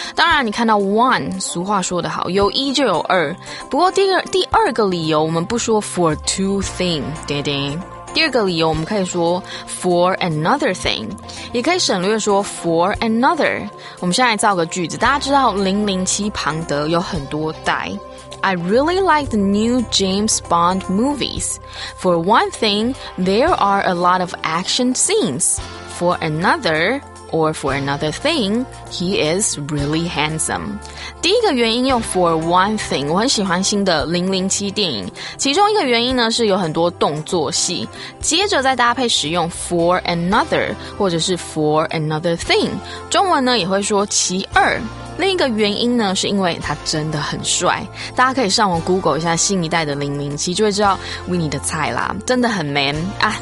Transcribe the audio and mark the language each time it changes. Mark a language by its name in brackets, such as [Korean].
[Chinese] 当然你看到 one, 俗话说得好，有一就有二。不过第二个理由我们不说 for two thing, 爹爹。第二个理由我们可以说 for another thing, 也可以省略说 for another。我们先来造个句子，大家知道007庞德有很多代。 [English] I really like the new James Bond movies. For one thing, there are a lot of action scenes. For another, or for another thing, he is really handsome. [Chinese] 第一个原因用 for one thing, 我很喜欢新的007电影。其中一个原因呢是有很多动作戏。接着再搭配使用 for another, 或者是 for another thing, 中文呢也会说其二。另一个原因呢，是因为他真的很帅。大家可以上网 Google 一下新一代的007，就会知道 Winnie 的菜啦，真的很 man 啊。